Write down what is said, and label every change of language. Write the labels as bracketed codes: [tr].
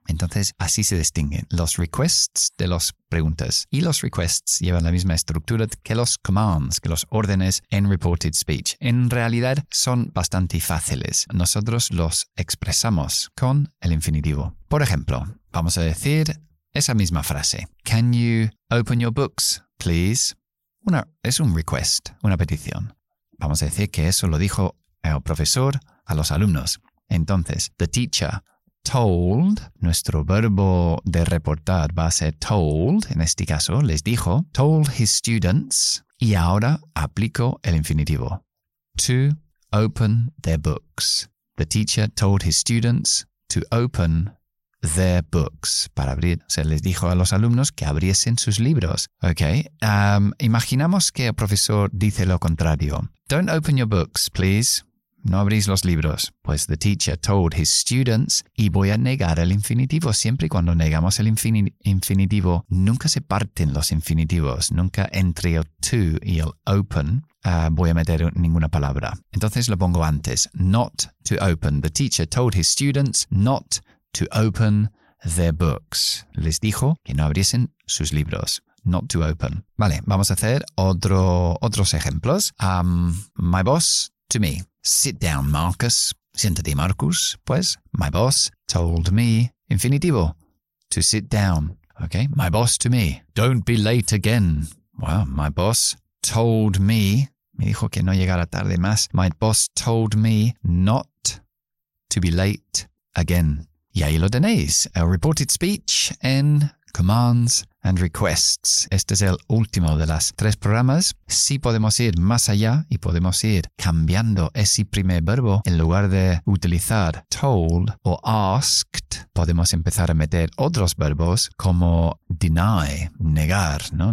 [es] Entonces, así se distinguen los requests de las preguntas. Y los requests llevan la misma estructura que los commands, que los órdenes en reported speech. En realidad, son bastante fáciles. Nosotros los expresamos con el infinitivo. Por ejemplo, vamos a decir esa misma frase. [en] Can you open your books, please? [es] Es un request, una petición. Vamos a decir que eso lo dijo el profesor a los alumnos. Entonces, [en] the teacher told, [es] nuestro verbo de reportar va a ser told, en este caso les dijo, [en] told his students, [es] y ahora aplico el infinitivo, [en] to open their books. The teacher told his students to open their books, [es] para abrir, o sea, les dijo a los alumnos que abriesen sus libros. Ok, imaginamos que el profesor dice lo contrario, [en] don't open your books, please. [es] No abrís los libros. Pues [en] the teacher told his students [es] y voy a negar el infinitivo. Siempre y cuando negamos el infinitivo, nunca se parten los infinitivos. Nunca entre el to y el open voy a meter ninguna palabra. Entonces lo pongo antes. [en] Not to open. The teacher told his students not to open their books. [es] Les dijo que no abriesen sus libros. [en] Not to open. [es] Vale, vamos a hacer otros ejemplos. [en] My boss to me. Sit down, Marcus. [es] Siéntate, Marcus. [en] Pues, my boss told me, infinitivo, to sit down. Okay, my boss to me. Don't be late again. Well, my boss told me, [es] me dijo que no llegara tarde más. [en] My boss told me not to be late again. [es] Y ahí lo tenéis. [en] A reported speech en commands and requests. [es] Este es el último de las tres programas. Sí podemos ir más allá y podemos ir cambiando ese primer verbo. En lugar de utilizar told o asked, podemos empezar a meter otros verbos como deny, negar, ¿no?